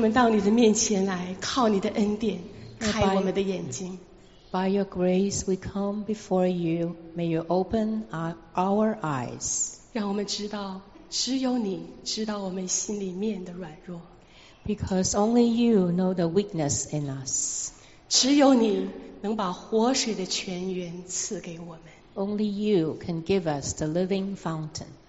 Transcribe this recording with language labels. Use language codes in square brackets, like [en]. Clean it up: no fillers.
[zh] 你的面前来，靠你的恩典，开我们的眼睛。 [en] By your grace we come before you. May you open our eyes. [zh] 让我们知道，只有你知道我们心里面的软弱。 [en] Because only you know the weakness in us. [zh] 只有你能把活水的泉源赐给我们。 [en] Only you can give us the living fountain.